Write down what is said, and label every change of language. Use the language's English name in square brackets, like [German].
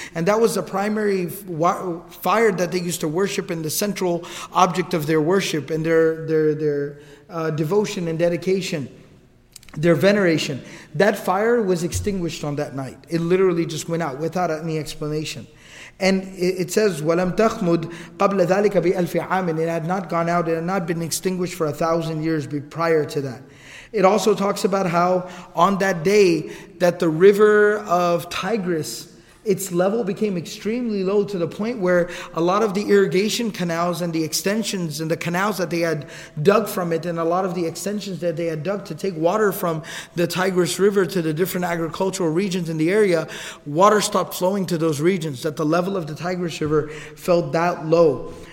[English] And that was the primary fire that they used to worship, and the central object of their worship and their devotion and dedication. Their veneration, that fire was extinguished on that night. It literally just went out without any explanation. And it says, [Arabic] وَلَمْ تَخْمُدْ قَبْلَ ذَلِكَ بِأَلْفِ عَامٍ. [English] It had not gone out, it had not been extinguished for 1,000 years prior to that. It also talks about how on that day that the river of Tigris, its level became extremely low to the point where a lot of the irrigation canals and the extensions and the canals that they had dug from it, and a lot of the extensions that they had dug to take water from the Tigris River to the different agricultural regions in the area, water stopped flowing to those regions, that the level of the Tigris River fell that low.